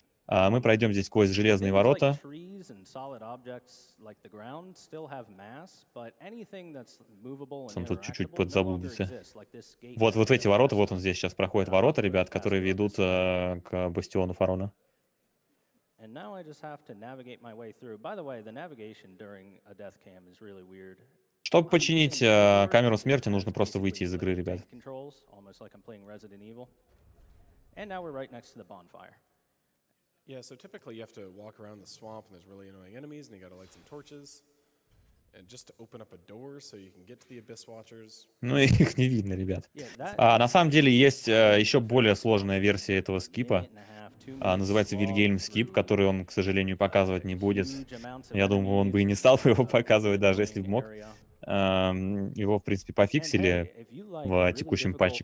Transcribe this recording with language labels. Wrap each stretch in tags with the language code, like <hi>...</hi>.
<ru>А мы пройдем здесь сквозь железные ворота. Он тут чуть-чуть подзаблудится. Вот эти ворота, вот он здесь сейчас проходит ворота, ребят, которые ведут к бастиону Фарона.</ru> <en>And now I just have to navigate my way through. By the way, the navigation during a death cam is really weird.</en> <ru>Чтобы починить камеру смерти, нужно просто выйти из игры, ребят.</ru> <en>Controls, almost like I'm playing Resident Evil. And now we're right next to the bonfire. Yeah, so typically you have to walk around the swamp and there's really annoying enemies and you got to light some torches and just to open up a door so you can get to the Abyss Watchers.</en> <ru>Ну их не видно, ребят. На самом деле есть еще более сложная версия этого скипа. Называется Вильгельм Скип, который он, к сожалению, показывать не будет. Я думаю, он бы и не стал его показывать, даже если бы мог. Его, в принципе, пофиксили в текущем патче.</ru>